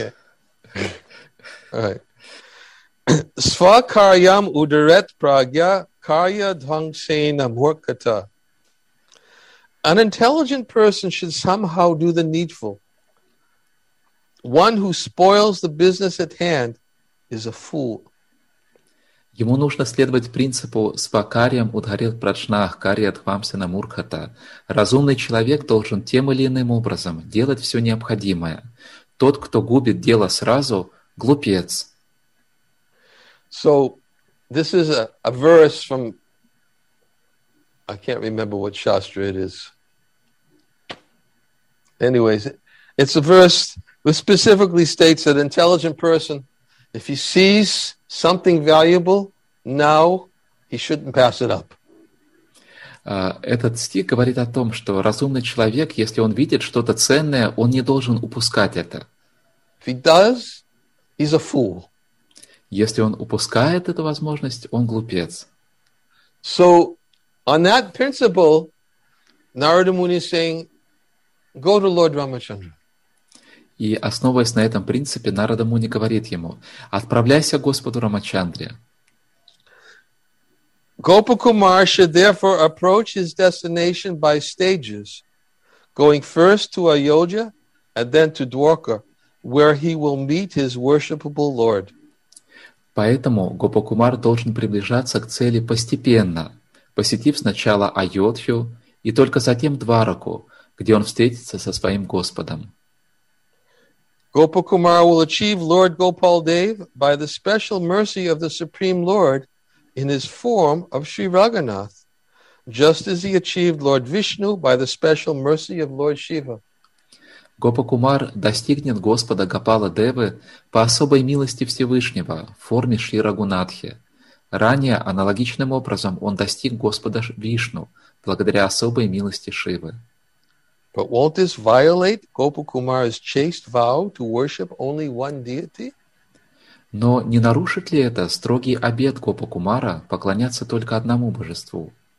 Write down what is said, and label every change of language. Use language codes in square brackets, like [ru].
[en] Okay. Alright. [sa] Sva karyam udaret pragya karya dhangsena murkata. [en] An intelligent person should somehow do the needful. One who spoils the business at hand is a fool. [ru] Ему нужно следовать принципу [sa] «Сва карьям удгарет праджнах карья дхвамсена муркхата». [ru] Разумный человек должен тем или иным образом делать все необходимое. Тот, кто губит дело сразу, глупец. [en] So, this is a verse from... I can't remember what shastra it is. Anyways, it's a verse which specifically states that an intelligent person, if he sees something valuable, now he shouldn't pass it up. [ru] Этот стих говорит о том, что разумный человек, если он видит что-то ценное, он не должен упускать это. [en] If he does, he's a fool. [ru] Если он упускает эту возможность, он глупец. [en] So, on that principle, Narada Muni is saying, go to Lord Ramachandra. [ru] И основываясь на этом принципе, Нарада Муни говорит ему, отправляйся к Господу Рамачандре. [en] Gopa Kumar should therefore approach his destination by stages, going first to Ayodhya and then to Dwarka, where he will meet his worshipable Lord. [ru] Поэтому Gopa Kumar должен приближаться к цели постепенно, посетив сначала Айодхью и только затем Двараку, где он встретится со своим Господом. [en] Gopa Kumar will achieve Lord Gopal Dev by the special mercy of the Supreme Lord in his form of Sri Raghunath, just as he achieved Lord Vishnu by the special mercy of Lord Shiva. [ru] Gopa Kumar достигнет Господа Гопала Девы по особой милости Всевышнего в форме Шри Рагунатхи. Ранее аналогичным образом он достиг Господа Вишну благодаря особой милости Шивы. [en] But won't this violate Gopa Kumar's chaste vow to worship only one deity? [ru] Но не нарушит ли это строгий обет Гопа Кумара поклоняться только одному божеству?